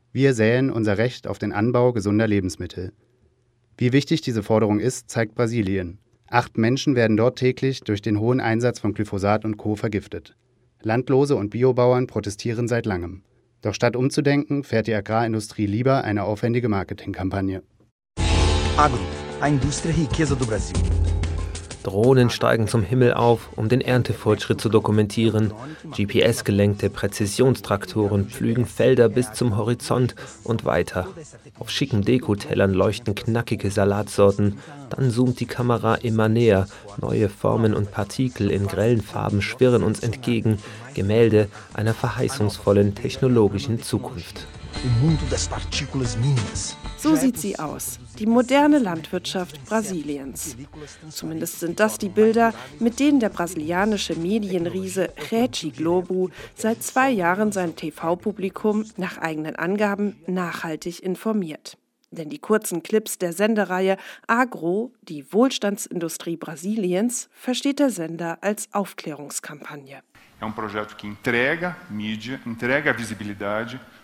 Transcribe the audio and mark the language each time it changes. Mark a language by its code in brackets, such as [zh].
[de] Wir säen unser Recht auf den Anbau gesunder Lebensmittel. Wie wichtig diese Forderung ist, zeigt Brasilien. 8 Menschen werden dort täglich durch den hohen Einsatz von Glyphosat und Co. vergiftet. Landlose und Biobauern protestieren seit langem. Doch statt umzudenken, fährt die Agrarindustrie lieber eine aufwendige Marketingkampagne. [pt] Agro, a indústria riqueza do Brasil. [de] Drohnen steigen zum Himmel auf, um den Erntefortschritt zu dokumentieren. GPS-gelenkte Präzisionstraktoren pflügen Felder bis zum Horizont und weiter. Auf schicken Dekotellern leuchten knackige Salatsorten. Dann zoomt die Kamera immer näher. Neue Formen und Partikel in grellen Farben schwirren uns entgegen. Gemälde einer verheißungsvollen technologischen Zukunft. So sieht sie aus, die moderne Landwirtschaft Brasiliens. Zumindest sind das die Bilder, mit denen der brasilianische Medienriese Rede Globo seit 2 Jahren sein TV-Publikum nach eigenen Angaben nachhaltig informiert. Denn die kurzen Clips der Sendereihe Agro, die Wohlstandsindustrie Brasiliens, versteht der Sender als Aufklärungskampagne. [pt] É um projeto que entrega mídia, entrega Visibilidade.